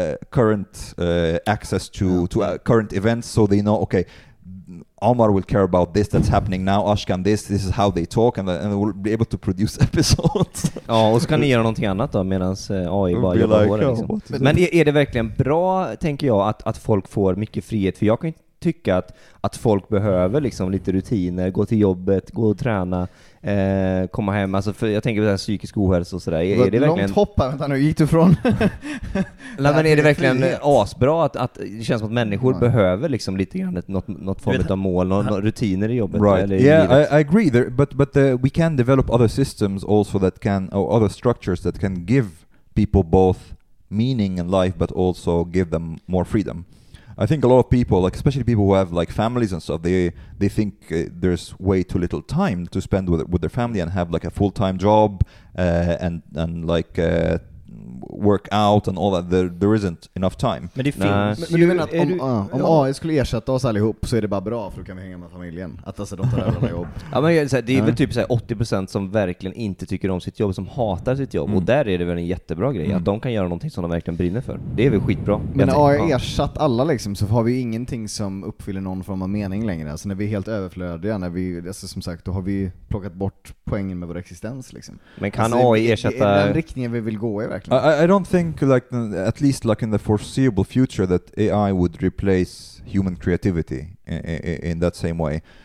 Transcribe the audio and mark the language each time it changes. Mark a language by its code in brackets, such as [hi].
[en] current access to current events, so they know, okay, Omar will care about this that's happening now, Ashkan this is how they talk, and we'll be able to produce episodes. [sv] Ja, och så kan ni göra någonting annat då medan AI bara jobbar på det liksom. Men är det verkligen bra, tänker jag, att folk får mycket frihet? För jag kan ju tycka att folk behöver liksom lite rutiner, gå till jobbet, gå och träna, komma hem. Alltså, för jag tänker på den här psykisk ohälsa och sådär. Är det verkligen... Långt hoppar, vänta nu, gick du från? Men är det verkligen asbra att det känns som att människor behöver liksom lite grann något form av mål, något rutiner i jobbet? [en] Right. [sv] Eller [en] yeah, [sv] i livet. [en] I agree. But we can develop other systems also that can, or other structures that can give people both meaning in life but also give them more freedom. I think a lot of people, like especially people who have like families and stuff, they think there's way too little time to spend with their family and have like a full-time job and like work out and all that, there isn't enough time. [sv] Men det finns. Men du menar att om AI skulle ersätta oss allihop så är det bara bra, för då kan vi hänga med familjen. Att alltså de tar över alla jobb. Ja, men det är väl typ 80% som verkligen inte tycker om sitt jobb, som hatar sitt jobb. Mm. Och där är det väl en jättebra grej att de kan göra någonting som de verkligen brinner för. Det är väl skitbra. Men när AI ersatt alla liksom, så har vi ju ingenting som uppfyller någon form av mening längre. Alltså när vi är helt överflödiga, när vi, alltså som sagt, då har vi plockat bort poängen med vår existens liksom. Men kan AI ersätta... Är det den riktningen vi vill gå i verkligen? [en] I don't think, like, at least like in the foreseeable future, that AI would replace human creativity in that same way.